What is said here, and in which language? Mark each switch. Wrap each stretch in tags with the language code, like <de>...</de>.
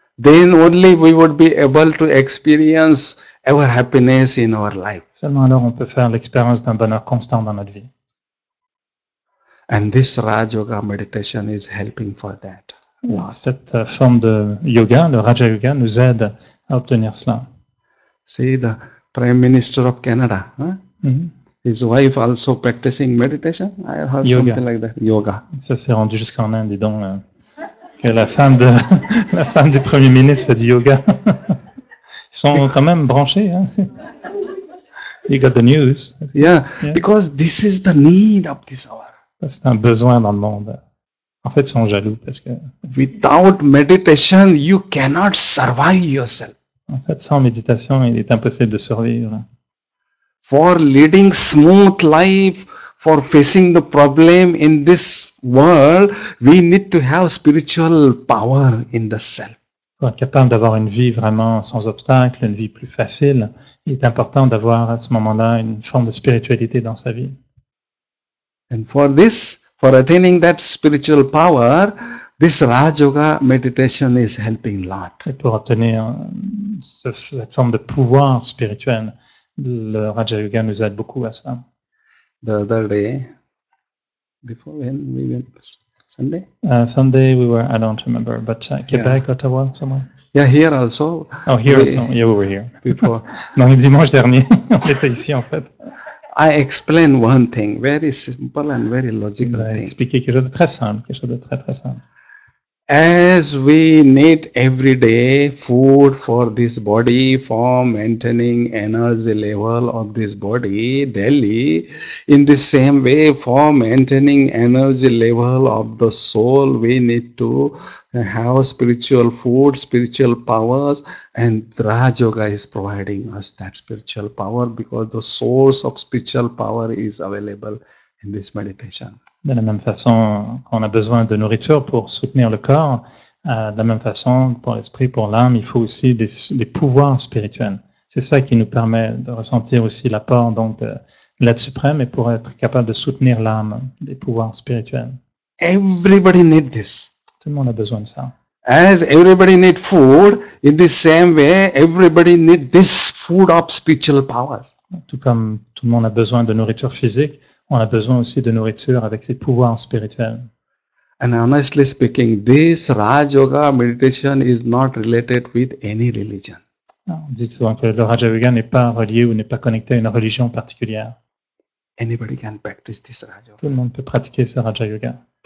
<en>Then only we would be able to experience our happiness in our life.</en> <fr>Seulement alors on peut faire l'expérience d'un bonheur constant dans notre vie.</fr> <en>And this Raja Yoga meditation is helping for that.</en> <fr>Cette forme de yoga, le Raja Yoga, nous aide à obtenir cela.</fr> <en>See the Prime Minister of Canada. His wife also practicing meditation. I heard yoga. Something like that. Yoga.</en> <fr>Ça s'est rendu jusqu'en Inde, dis donc. Que la femme du Premier ministre fait du yoga. Ils sont quand même branchés. Hein.</fr> <en>You got the news. Because this is the need of this hour.</en> <fr>C'est un besoin dans le monde. En fait, ils sont jaloux parce que...</fr> <en>Without meditation, you cannot survive yourself.</en> <fr>En fait, sans méditation, il est impossible de survivre.</fr> <en>For leading smooth life, for facing the problem in this world, we need to have spiritual power in the self.</en> <fr>Pour être capable d'avoir une vie vraiment sans obstacle, une vie plus facile, il est important d'avoir à ce moment-là une forme de spiritualité dans sa vie.</fr> <en>And for this, for attaining that spiritual power, this Raja Yoga meditation is helping a lot.</en> <fr>Et pour obtenir cette forme de pouvoir spirituel, le Raja Yoga nous aide beaucoup à cela.</fr> <en>The other day, before when we went, Sunday? Sunday we were, I don't remember, but Quebec, yeah. Ottawa, somewhere? Yeah, here also. Oh, here also, yeah, we were here. Before.</en> <fr>Non, le dimanche dernier, on était ici en fait.</fr> <en>I explained one thing, very simple and very logical thing.</en> <fr>Expliquer quelque chose de très simple, quelque chose de très très simple.</fr> <en>As we need every day food for this body, for maintaining energy level of this body daily, in the same way for maintaining energy level of the soul, we need to have spiritual food, spiritual powers, and Raja Yoga is providing us that spiritual power because the source of spiritual power is available in this meditation.</en> <fr>De la même façon, on a besoin de nourriture pour soutenir le corps. De la même façon, pour l'esprit, pour l'âme, il faut aussi des pouvoirs spirituels. C'est ça qui nous permet de ressentir aussi l'apport donc de l'aide suprême et pour être capable de soutenir l'âme, des pouvoirs spirituels.</fr> <en>Everybody need this.</en> <fr>Tout le monde a besoin de ça.</fr> <en>As everybody need food, in the same way, everybody need this food of spiritual powers.</en> <fr>Tout comme tout le monde a besoin de nourriture physique. On a besoin aussi de nourriture avec ses pouvoirs spirituels.</fr> <en>And honestly speaking, this Raja Yoga meditation is not related with any religion.</en> <fr>On dit souvent que le Raja Yoga n'est pas relié ou n'est pas connecté à une religion particulière.</fr> <en>Anybody can practice this Raja Yoga.</en> <fr>Tout le monde peut pratiquer ce Raja Yoga.</fr>